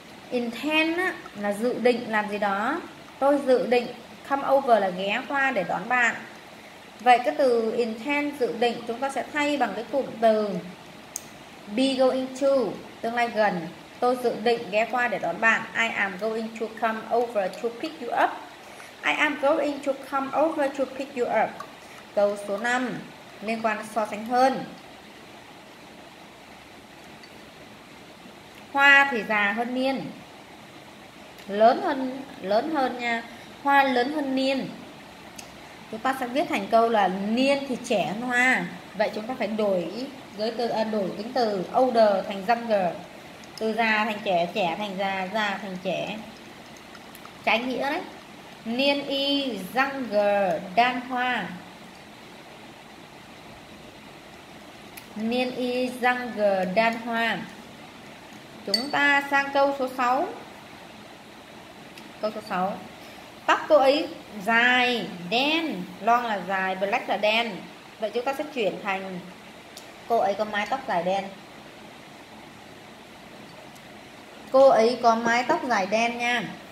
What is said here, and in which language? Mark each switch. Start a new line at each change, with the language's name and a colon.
Vietnamese: Intend là dự định làm gì đó. Tôi dự định come over là ghé qua để đón bạn. Vậy cái từ intend, dự định, chúng ta sẽ thay bằng cái cụm từ be going to, tương lai gần. Tôi dự định ghé qua để đón bạn.
English: I am going to come over to pick you up. I am going to come over to pick you up.
Vietnamese: Câu số 5 liên quan so sánh hơn. Hoa thì già hơn niên. Lớn hơn nha. Hoa lớn hơn niên. Chúng ta sẽ viết thành câu là niên thì trẻ hơn hoa. Vậy chúng ta phải đổi giới từ đổi tính từ older thành younger, từ già thành trẻ, trẻ thành già, già thành trẻ, trái nghĩa đấy.
English: Niên y younger than hoa, niên y younger than hoa.
Vietnamese: Chúng ta sang câu số 6. Câu số 6: tóc cô ấy dài đen, long là dài, black là đen. Vậy chúng ta sẽ chuyển thành cô ấy có mái tóc dài đen. Cô ấy có mái tóc dài đen nha.